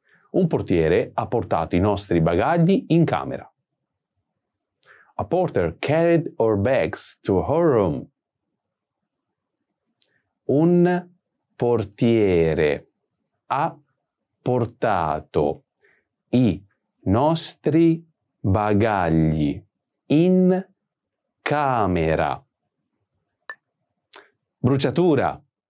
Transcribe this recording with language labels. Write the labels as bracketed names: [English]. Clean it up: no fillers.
[Italian] Un portiere ha portato i nostri bagagli in camera. [English] A porter carried our bags to her room. [Italian] Un portiere ha portato i nostri bagagli in camera. Bruciatura.